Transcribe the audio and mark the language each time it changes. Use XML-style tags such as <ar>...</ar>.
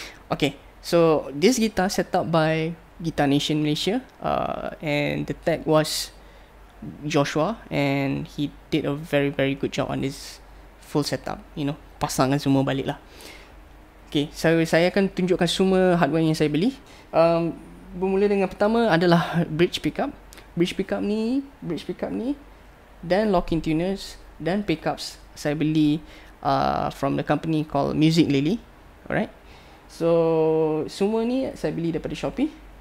<en>Okay, so this guitar set up by Guitar Nation Malaysia, and the tech was Joshua, and he did a very very good job on this full setup, you know,</en> <ms>pasangkan semua balik lah. Okay, so saya akan tunjukkan semua hardware yang saya beli. Bermula dengan pertama adalah bridge pickup ni dan locking tuners dan pickups. Saya beli</ms> <en>from the company called Music Lily. Alright, so</en> <ms>semua ni saya beli daripada Shopee.</ms>